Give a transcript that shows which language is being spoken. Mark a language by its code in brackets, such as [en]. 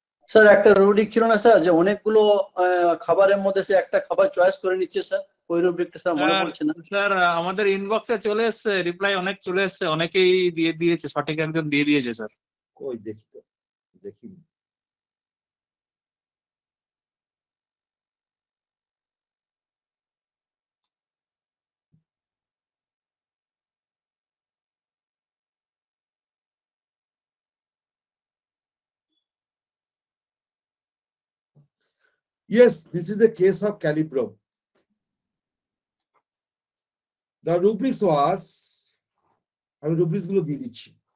[bn] Sir একটা rubric ছিল না স্যার, যে অনেকগুলো খাবারের মধ্যে সে একটা খাবার চয়েস করে নিচ্ছে স্যার, ওই রুব্রিকটা স্যার মনে পড়ছে না স্যার। আমাদের ইনবক্সে চলে এসেছে রিপ্লাই, অনেক চলে এসেছে, অনেকেই দিয়ে দিয়েছে, সঠিক একজন দিয়ে দিয়েছে স্যার। কই দেখি তো, দেখি [en] Yes, this is a case of calibrum. The rubrics was, [bn] আমি রুব্রিক্স গুলো দিয়ে দিচ্ছি।